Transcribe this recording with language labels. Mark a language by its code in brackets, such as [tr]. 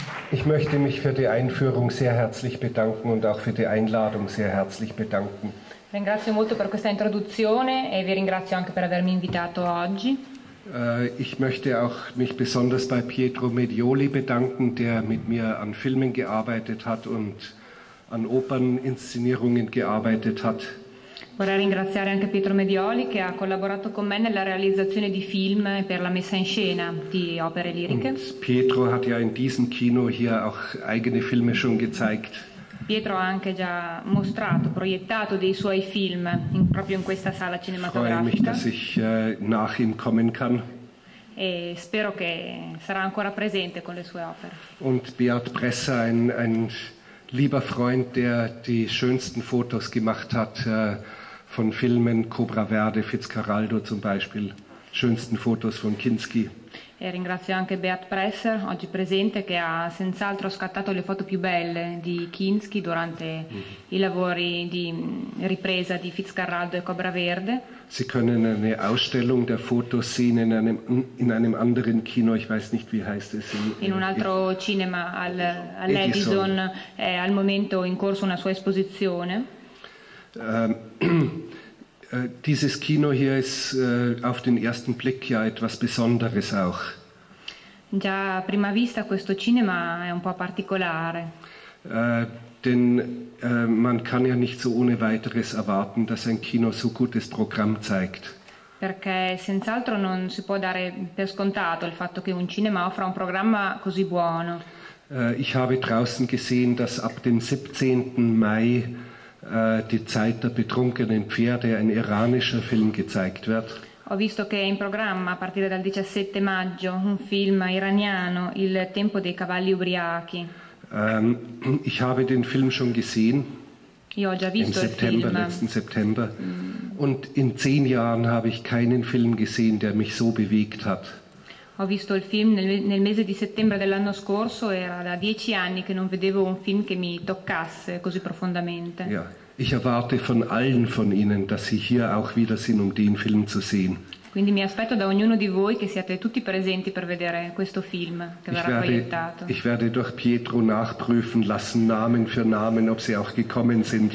[de] Ich möchte mich für die Einführung sehr herzlich bedanken und auch für die Einladung sehr herzlich bedanken. [it] Ringrazio molto per questa introduzione e vi ringrazio anche per avermi invitato oggi. [de] Ich möchte auch mich besonders bei Pietro Medioli bedanken, der mit mir an Filmen gearbeitet hat und an Operninszenierungen gearbeitet hat. [it] Vorrei ringraziare anche Pietro Medioli che ha collaborato con me nella realizzazione di film per la messa in scena di opere liriche. [de] Und Pietro hat ja in diesem Kino hier auch eigene Filme schon gezeigt. [it] Pietro ha anche già mostrato, proiettato dei suoi film proprio in questa sala cinematografica. [de] Freue mich, dass ich nach ihm kommen kann. [it] E spero che sarà ancora presente con le sue opere. [de] Und Beat Bresser, ein lieber Freund, der die schönsten Fotos gemacht hat von Filmen, Cobra Verde, Fitzcarraldo zum Beispiel, schönsten Fotos von Kinski. [it] E ringrazio anche Beat Presser, oggi presente, che ha senz'altro scattato le foto più belle di Kinski durante i lavori di ripresa di Fitzcarraldo e Cobra Verde. [de] Sie können eine Ausstellung der Fotos sehen in einem anderen Kino, ich weiß nicht wie heißt es. [it] In un altro cinema all'Edison è al momento in corso una sua esposizione. [de] Dieses Kino hier ist auf den ersten Blick ja etwas Besonderes auch. [it] Già a prima vista questo cinema è un po' particolare. [de] Man kann ja nicht so ohne weiteres erwarten, dass ein Kino so gutes Programm zeigt. [it] Perché senz'altro non si può dare per scontato il fatto che un cinema offra un programma così buono. [de] Ich habe draußen gesehen, dass ab dem 17. Mai Die Zeit der betrunkenen Pferde, ein iranischer Film, gezeigt wird. [it] Ho visto che è in programma a partire dal 17 maggio un film iraniano, Il tempo dei cavalli ubriachi. [de] Ich habe den Film schon gesehen. [it] Io ho già visto il September, film. [de] Im letzten September. Und in 10 Jahren habe ich keinen Film gesehen, der mich so bewegt hat. [it] Ho visto il film nel mese di settembre dell'anno scorso, era da 10 anni che non vedevo un film che mi toccasse così profondamente. [de] Ja, ich erwarte von allen von Ihnen, dass Sie hier auch wieder sind, um den Film zu sehen. [it] Quindi mi aspetto da ognuno di voi che siate tutti presenti per vedere questo film che verrà proiettato. [de] Ich werde durch Pietro nachprüfen lassen, Namen für Namen, ob Sie auch gekommen sind.